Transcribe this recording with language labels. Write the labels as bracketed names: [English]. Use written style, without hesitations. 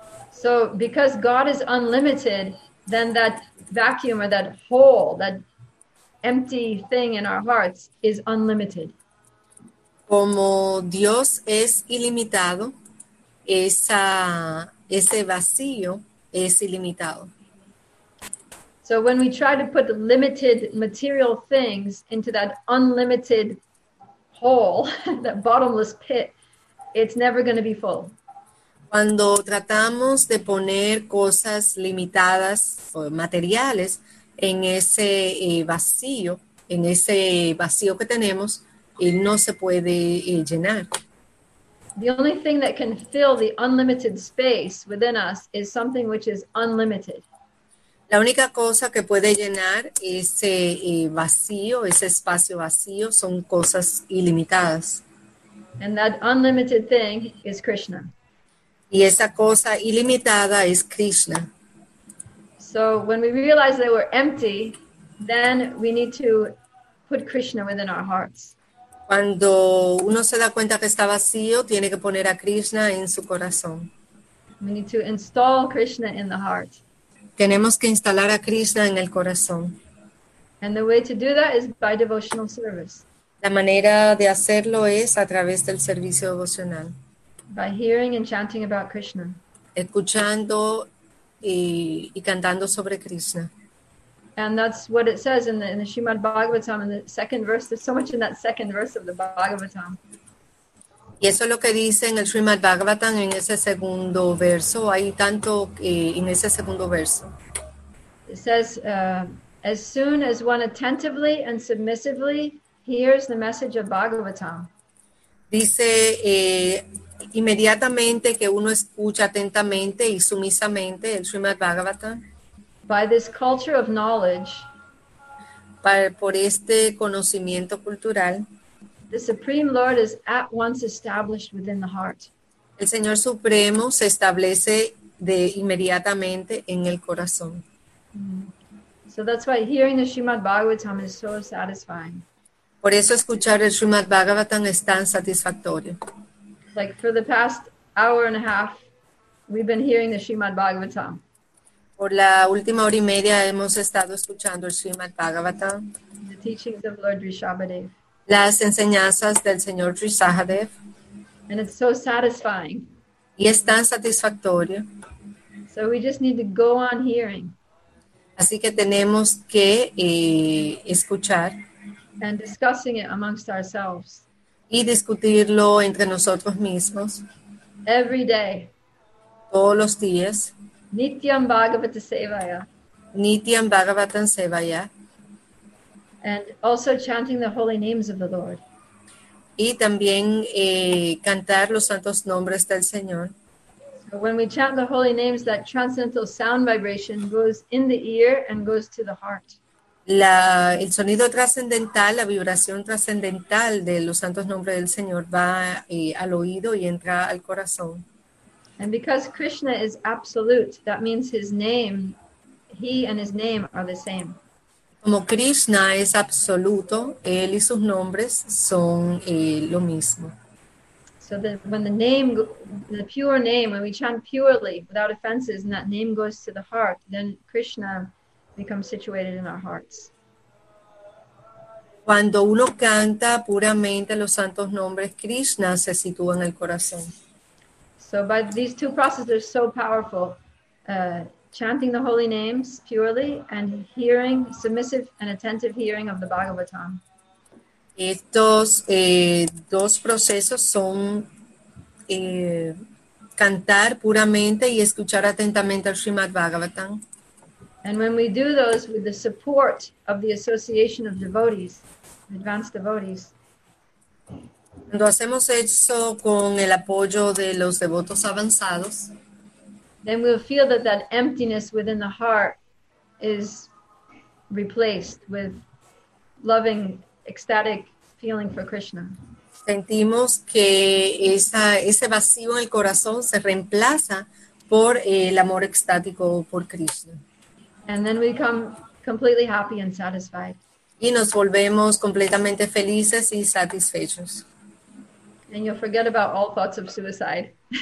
[English] So, because God is unlimited, then that vacuum or that hole, that empty thing in our hearts is unlimited. [Spanish] Como Dios es ilimitado, ese vacío es ilimitado. [English] So, when we try to put limited material things into that unlimited hole, that bottomless pit, it's never going to be full. [Spanish] Cuando tratamos de poner cosas limitadas o materiales en ese vacío, que tenemos, no se puede llenar. [English] The only thing that can fill the unlimited space within us is something which is unlimited. [Spanish] La única cosa que puede llenar ese vacío, ese espacio vacío, son cosas ilimitadas. [English] And that unlimited thing is Krishna. [Spanish] Y esa cosa ilimitada es Krishna. [English] So when we realize that we're empty, then we need to put Krishna within our hearts. [Spanish] Cuando uno se da cuenta que está vacío, tiene que poner a Krishna en su corazón. [English] We need to install Krishna in the heart. [Spanish] Tenemos que instalar a Krishna en el corazón. [English] And the way to do that is by devotional service. [Spanish] La manera de hacerlo es a través del servicio devocional. [English] By hearing and chanting about Krishna. [Spanish] Escuchando y cantando sobre Krishna. [English] And that's what it says in the Srimad Bhagavatam, in the second verse. There's so much in that second verse of the Bhagavatam. [Spanish] Y eso es lo que dice en el Srimad Bhagavatam en ese segundo verso. Hay tanto en ese segundo verso. [English] It says, as soon as one attentively and submissively hears the message of Bhagavatam. [Spanish] Dice inmediatamente que uno escucha atentamente y sumisamente el Srimad Bhagavatam. [English] By this culture of knowledge, [Spanish] Por este conocimiento cultural. [English] the Supreme Lord is at once established within the heart. [Spanish] El Señor Supremo se establece de inmediatamente en el corazón. [English] So that's why hearing the Srimad Bhagavatam is so satisfying. [Spanish] Por eso escuchar el Srimad Bhagavatam es tan satisfactorio. [English] Like for the past hour and a half, we've been hearing the Srimad Bhagavatam. [Spanish] Por la última hora y media hemos estado escuchando el Srimad Bhagavatam, [English] The teachings of Lord Rishabhadev. [Spanish] las enseñanzas del señor Trisahadev. [English] And it's so satisfying. [Spanish] Y es tan satisfactorio. [English] So we just need to go on hearing. [Spanish] Así que tenemos que escuchar [English] And discussing it amongst ourselves. [Spanish] y discutirlo entre nosotros mismos [English] Every day. [Spanish] todos los días. [Sanskrit] Nityam Bhagavata Nityam Bhagavatam Sevaya. [English] And also chanting the holy names of the Lord. [Spanish] Y también cantar los santos nombres del Señor. [English] So when we chant the holy names, that transcendental sound vibration goes in the ear and goes to the heart. [Spanish] El sonido trascendental, la vibración trascendental de los santos nombres del Señor va al oído y entra al corazón. [English] And because Krishna is absolute, that means his name, he and his name are the same. [Spanish] Como Krishna es absoluto, él y sus nombres son lo mismo. [English] So that when the name, the pure name, when we chant purely without offenses, and that name goes to the heart, then Krishna becomes situated in our hearts. [Spanish] Cuando uno canta puramente los santos nombres, Krishna se sitúa en el corazón. [English] So, but these two processes are so powerful. chanting the holy names purely and hearing submissive and attentive hearing of the Bhagavatam. [Spanish] Estos dos procesos son cantar puramente y escuchar atentamente al Srimad Bhagavatam. [English] And when we do those with the support of the association of devotees, advanced devotees. [Spanish] Cuando hacemos eso con el apoyo de los devotos avanzados, [English] then we'll feel that that emptiness within the heart is replaced with loving, ecstatic feeling for Krishna. [Spanish] Sentimos que ese vacío en el corazón se reemplaza por el amor extático por Krishna. [English] And then we become completely happy and satisfied. [Spanish] Y nos volvemos completamente felices y satisfechos. [English] And you'll forget about all thoughts of suicide.